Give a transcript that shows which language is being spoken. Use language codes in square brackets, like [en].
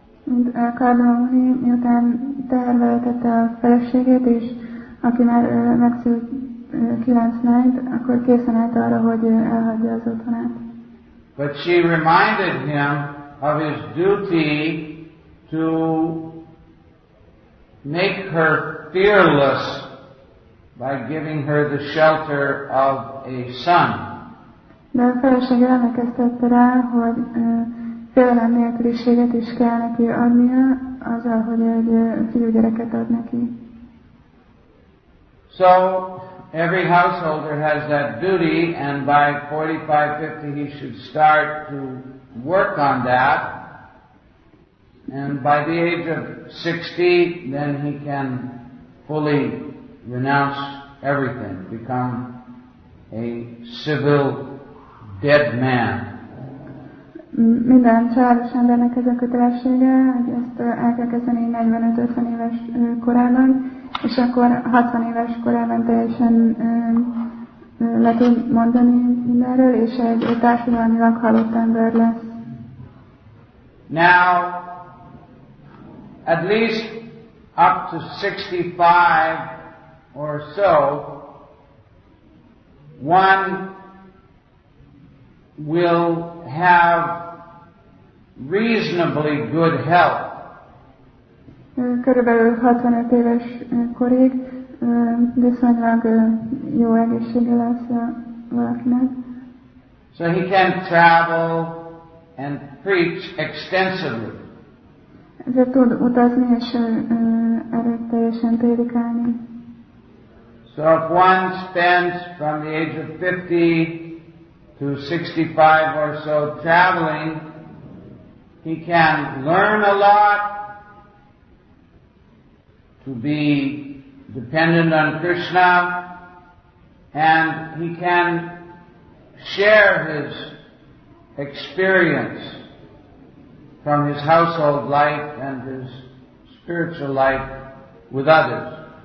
[hu] And Kardama Muni, miután teherbe vetette a feleségét, és aki már megszült 9 lányt, akkor készen állt arra, hogy elhagyja az otthonát. [en] But she reminded him of his duty to make her fearless by giving her the shelter of a son. [hu] De a felesége emlékeztette rá, hogy félelem nélküliséget is kell neki adnia, azzal, hogy egy fiúgyereket ad neki. [en] So every householder has that duty, and by 45-50 he should start to work on that. And by the age of 60, then he can fully renounce everything, become a civil dead man. [hu] Minden családos embernek ez a kötelessége, hogy ezt el kell kezdeni 45-50 éves korában, és akkor 60 éves korában teljesen le tud mondani mindenről, és egy társadalmilag halott ember lesz. [en] Now, at least up to 65 or so, one will have reasonably good health. [hu] Körülbelül 65 éves korig viszonylag jó egészsége lesz valakinek. [en] So he can travel and preach extensively. [hu] Ezért tud utazni és erőteljesen prédikálni. [en] So if one spends from the age of 50 to 65 or so traveling, he can learn a lot to be dependent on Krishna, and he can share his experience from his household life and his spiritual life with others.